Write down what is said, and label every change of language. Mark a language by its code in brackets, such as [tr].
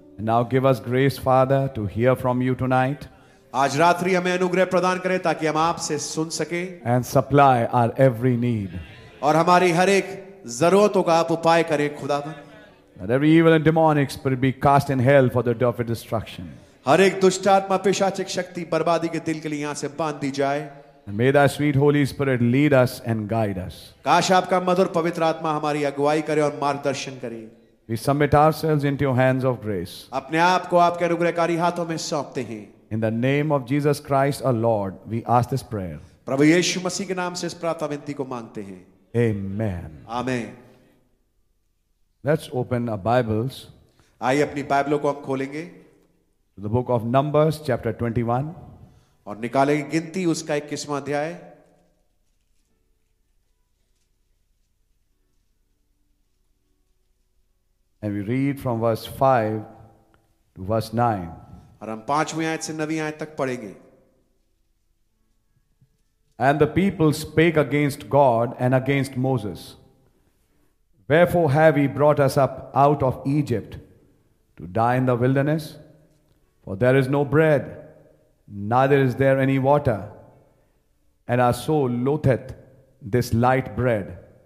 [en] Now give us grace, Father, to hear from you tonight. [hi] Aaj ratri hame anugrah pradan kare taki hum aapse sun sake. [en] And supply our every need. [hi] Aur hamari har ek zaruraton ka aap upay kare, Khudavan. [en] Let every evil and demonic spirit be cast in hell for the day of destruction. [hi] हर एक दुष्टात्मा पिशाचिक शक्ति बर्बादी के दिल के लिए यहां से बांध दी जाए. [en] May thy sweet Holy Spirit lead us and guide us. [hi] काश आपका मधुर पवित्र आत्मा हमारी अगुवाई करे और मार्गदर्शन करे. [en] We submit ourselves into your hands of grace. [hi] अपने आप को आपके अनुग्रहकारी हाथों में सौंपते हैं. [en] In the name of Jesus Christ our Lord, we ask this prayer. [hi] प्रभु यीशु मसीह के नाम से इस प्रार्थना विनती को मांगते हैं. [en] Amen. Amen. Let's open our Bibles. [hi] आइए अपनी बाइबलों को हम खोलेंगे. [en] The book of Numbers, chapter 21. [hi] और निकालेंगे गिनती उसका 21वां अध्याय. [en] And we read from verse 5 to verse 9. [hi] और हम पांचवी आयत से नवी आयत तक पढ़ेंगे. [en] And the people spake against God and against Moses. Wherefore have he brought us up out of Egypt to die in the wilderness? For there is no bread, neither is there any water, and our soul loatheth this light bread.